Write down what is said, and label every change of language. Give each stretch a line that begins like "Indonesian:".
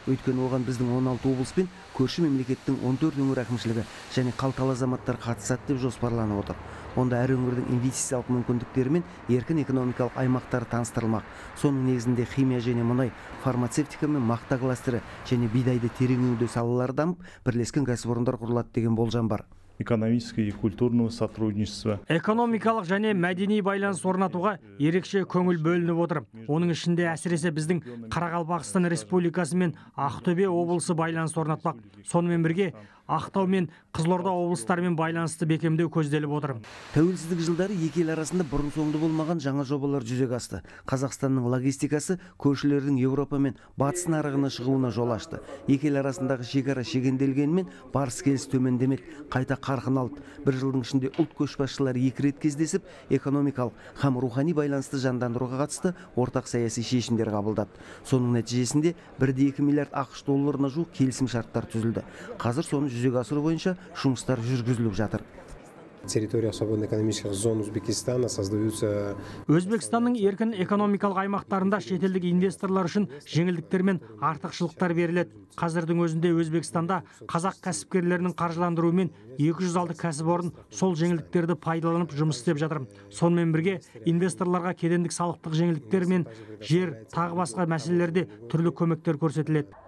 Kazakh: Өйткені оған біздің 16 облыс пен көрші мемлекеттің 14 өңір әкімшілігі және қалталы азаматтар қатысады деп жоспарланып отыр. Онда әр өңірдің инвестициялық мүмкіндіктері мен еркін экономикалық аймақтары таныстырылмақ. Соның негізінде химия және мұнай, фармацевтика мен мақта кластері және бидайды терең өңдеу салалары дамып, бірлескен кәсіпорындар құрылады деген болжам бар.
Russian: Экономическое и культурное сотрудничество.
Kazakh: Экономикалық және мәдени байланыс орнатуға ерекше көңіл бөлініп отыр. Оның ішінде әсіресе біздің Қарақалпақстан Республикасы мен Ақтөбе облысы байланыс орнатпақ. Сонымен бірге Ақтау мен Қызылорда облыстарымен байланысты бекемдеу көзделіп отыр. Тәуелсіздік жылдары екі ел арасында бұрын-соңды болмаған жаңа жобалар жүзеге асты. Қазақстанның логистикасы көршілердің Еуропа мен батыс нарығына шығуына жол ашты. Екі ел арасындағы шекара шегенделгенмен барыс-келіс төмендемек, қайта қарқын алды. Бір жылдың ішінде ұлт көшбасшылары екі рет кездесіп, экономикалық һәм рухани байланысты жандандыруға қатысты ортақ саяси шешімдер қабылдады. Соның нәтижесінде 1-2 миллиард ақш долларына жуық келісім шарттар түзілді. Қазір соны жүзеге асыру бойынша жұмыстар жүргізіліп жатыр.
Russian: Территория свободной экономических зон Узбекистана создаются.
Kazakh: Өзбекстанның еркін экономикалық аймақтарында шетелдік инвесторлар үшін жеңілдіктер мен артықшылықтар беріледі. Қазірдің өзінде Өзбекстанда қазақ кәсіпкерлерінің қаржыландыруымен 206 кәсіпорын сол жеңілдіктерді пайдаланып жұмыс істеп жатыр. Сонымен бірге инвесторларға кедендік салықтық жеңілдіктер мен жер, тағы басқа мәселелерде түрлі көмектер көрсетіледі.